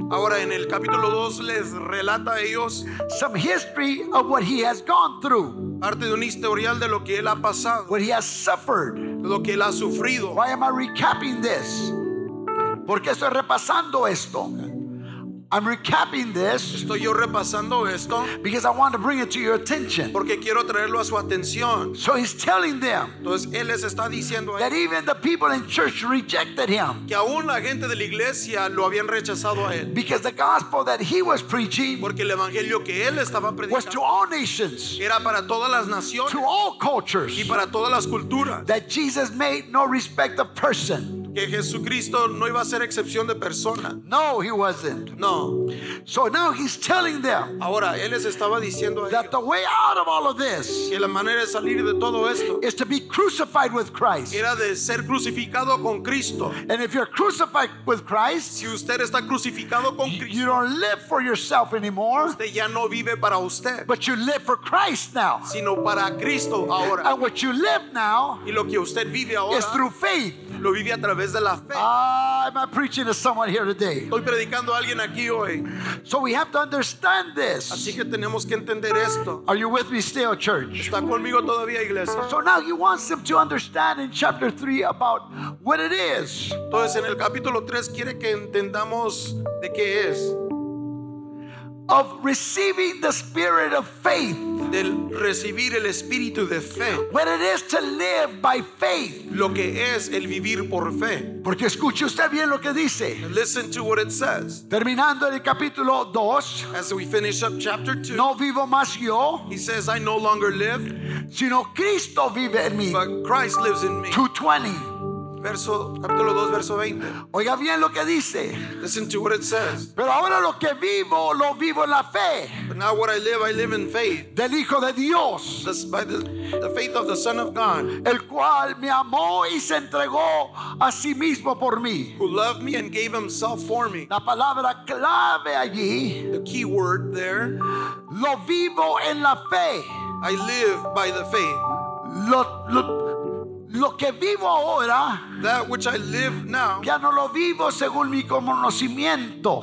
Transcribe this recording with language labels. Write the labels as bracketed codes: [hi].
[es] Ahora en el capítulo 2 les relata a ellos [en] some history of what he has gone through. [es] Parte de un historial de lo que él ha pasado. [en] What he has suffered. [es] Lo que él ha sufrido. [en] Why am I recapping this? [es] ¿Por qué estoy repasando esto? [en] I'm recapping this. [es] Estoy yo repasando esto. [en] Because I want to bring it to your attention. [es] Porque quiero traerlo a su atención. [en] So he's telling them. [es] Entonces él les está diciendo. [en] That even the people in church rejected him. [es] Que aún la gente de la iglesia lo habían rechazado a él. [en] Because the gospel that he was preaching. [es] Porque el evangelio que él estaba predicando. [en] Was to all nations. [es] Era para todas las naciones. [en] To all cultures. [es] Y para todas las culturas. [en] That Jesus made no respect of person. [es] Que Jesucristo no iba a ser excepción de persona. [en] No, he wasn't. [es] No. [en] So now he's telling them. [es] Ahora él les estaba diciendo. [en] That the way out of all of this. [es] Que la manera de salir de todo esto. [en] Is to be crucified with Christ. [es] Era de ser crucificado con Cristo. [en] And if you're crucified with Christ. [es] Si usted está crucificado con Cristo. [en] You don't live for yourself anymore. [es] Usted ya no vive para usted. [en] But you live for Christ now. [es] Sino para Cristo ahora. [en] And what you live now. [es] Y lo que usted vive ahora. [en] Is through faith. [es] Lo vive a través de la fe. [en] Am I preaching to someone here today? [es] Estoy predicando a alguien aquí hoy. [en] So we have to understand this. [es] Así que tenemos que entender esto. [en] Are you with me still, church? [es] ¿Está conmigo todavía, iglesia? [en] So now he wants them to understand in chapter 3 about what it is. [es] Entonces en el capítulo 3 quiere que entendamos de qué es. [en] Of receiving the spirit of faith. [es] Del recibir el espíritu de fe. [en] What it is to live by faith. [es] Lo que es el vivir por fe. Porque escuche usted bien lo que dice. [en] Listen to what it says. [es] Terminando el capítulo 2. [en] As we finish up chapter 2. [es] No vivo más yo. [en] He says I no longer live. [es] Sino Cristo vive en mí. [en] But Christ lives in me. [es] 2:20. [en] Verso, capítulo 2, verso 20. [es] Oiga bien lo que dice. [en] Listen to what it says. [es] Pero ahora lo que vivo, lo vivo en la fe. [en] But now what I live in faith. [es] Del Hijo de Dios. [en] This, by the faith of the Son of God. [es] El cual me amó y se entregó a sí mismo por mí. [en] Who loved me and gave himself for me. [es] La palabra clave allí. [en] The key word there. [es] Lo vivo en la fe. [en] I live by the faith. [es] Lo que vivo ahora, [en] that which I live now, [es] ya no lo vivo según mi conocimiento.